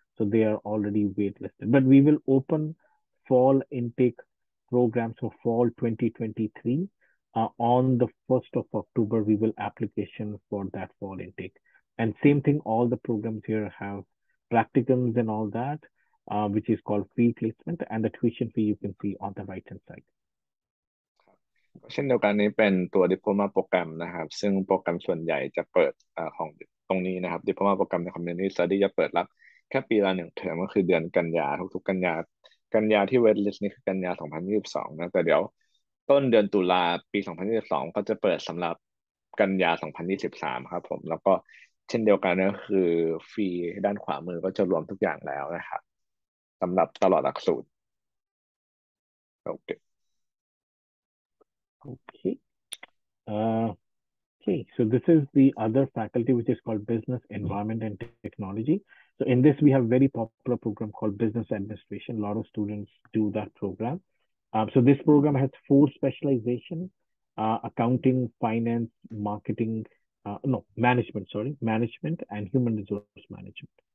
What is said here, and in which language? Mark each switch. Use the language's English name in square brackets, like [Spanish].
[English] So they are already waitlisted. But we will open fall intake programs for fall 2023 on the 1st of October we will application for that fall intake, and same thing, all the programs here have practicums and all that, which is called fee placement, and the tuition fee you can see on the right hand side. [Thai] เช่นเดียวกันนี้เป็นตัว diploma โปรแกรมนะครับซึ่งโปรแกรมส่วนใหญ่จะเปิดของตรงนี้นะครับ diploma โปรแกรมใน community study จะเปิดรับแค่ปีละ1เทอมก็คือเดือนกันยาทุกๆกันยาที่เวทลิสต์นี่คือกันยา2022นะแต่เดี๋ยวต้นเดือนตุลาปี2022ก็จะเปิดสำหรับกันยา2023ครับผมแล้วก็เช่นเดียวกันก็คือฟรีด้านขวามือก็จะรวมทุกอย่างแล้วนะครับสำหรับตลอดหลักสูตรโอเค [English] โอเคOkay, so this is the other faculty, which is called Business, Environment, and Technology. So in this, we have a very popular program called Business Administration. A lot of students do that program. So this program has four specializations, accounting, finance, marketing, management and human resource management.